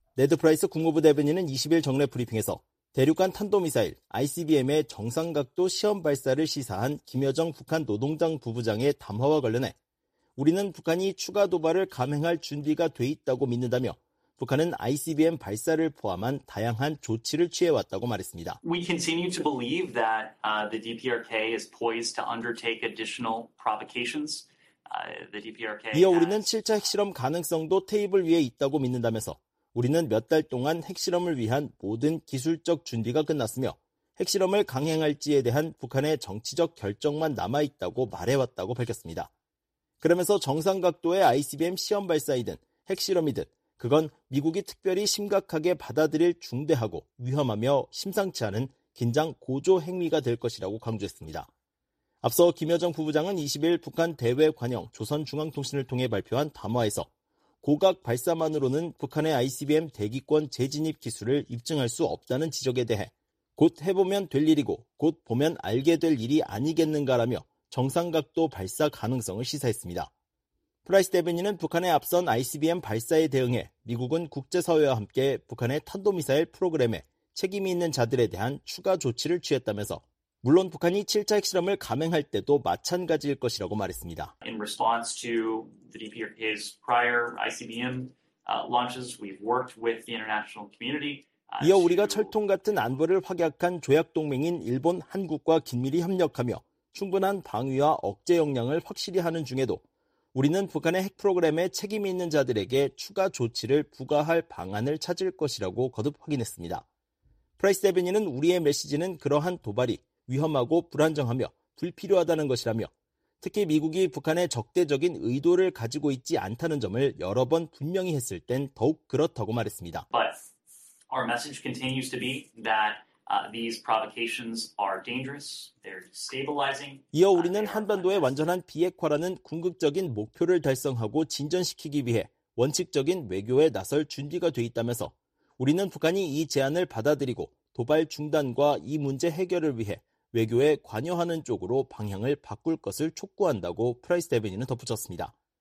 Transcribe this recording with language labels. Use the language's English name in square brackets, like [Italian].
[Korean] 네드 프라이스 국무부 대변인은 20일 정례 브리핑에서 대륙간 탄도미사일 ICBM의 정상각도 시험 발사를 시사한 김여정 북한 노동당 부부장의 담화와 관련해 우리는 북한이 추가 도발을 감행할 준비가 돼 있다고 믿는다며 북한은 ICBM 발사를 포함한 다양한 조치를 취해왔다고 말했습니다. [English] We continue to believe that the DPRK is poised to undertake additional provocations. The DPRK [Korean] 이어 우리는 7차 핵실험 가능성도 테이블 위에 있다고 믿는다면서 우리는 몇 달 동안 핵실험을 위한 모든 기술적 준비가 끝났으며 핵실험을 강행할지에 대한 북한의 정치적 결정만 남아있다고 말해왔다고 밝혔습니다. 그러면서 정상각도의 ICBM 시험 발사이든 핵실험이든 그건 미국이 특별히 심각하게 받아들일 중대하고 위험하며 심상치 않은 긴장 고조 행위가 될 것이라고 강조했습니다. 앞서 김여정 부부장은 20일 북한 대외관영 조선중앙통신을 통해 발표한 담화에서 고각 발사만으로는 북한의 ICBM 대기권 재진입 기술을 입증할 수 없다는 지적에 대해 곧 해보면 될 일이고 곧 보면 알게 될 일이 아니겠는가라며 정상각도 발사 가능성을 시사했습니다. 프라이스 대변인은 북한의 앞선 ICBM 발사에 대응해 미국은 국제사회와 함께 북한의 탄도미사일 프로그램에 책임이 있는 자들에 대한 추가 조치를 취했다면서 물론 북한이 7차 핵실험을 감행할 때도 마찬가지일 것이라고 말했습니다. [English] In response to the DPRK's prior ICBM launches, we've worked with the international community. [Korean] 이어 우리가 철통 같은 안보를 확약한 조약 동맹인 일본, 한국과 긴밀히 협력하며 충분한 방위와 억제 역량을 확실히 하는 중에도 우리는 북한의 핵 프로그램에 책임이 있는 자들에게 추가 조치를 부과할 방안을 찾을 것이라고 거듭 확인했습니다. 프라이스 대변인은 우리의 메시지는 그러한 도발이 위험하고 불안정하며 불필요하다는 것이라며 특히 미국이 북한에 적대적인 의도를 가지고 있지 않다는 점을 여러 번 분명히 했을 땐 더욱 그렇다고 말했습니다. [English] But our message continues to be that these provocations are dangerous. They're destabilizing. [Korean] 이어 우리는 한반도의 완전한 비핵화라는 궁극적인 목표를 달성하고 진전시키기 위해 원칙적인 외교에 나설 준비가 돼 있다면서 우리는 북한이 이 제안을 받아들이고 도발 중단과 이 문제 해결을 위해 외교에 관여하는 쪽으로 방향을 바꿀 것을 촉구한다고 프라이스 대변인은 덧붙였습니다.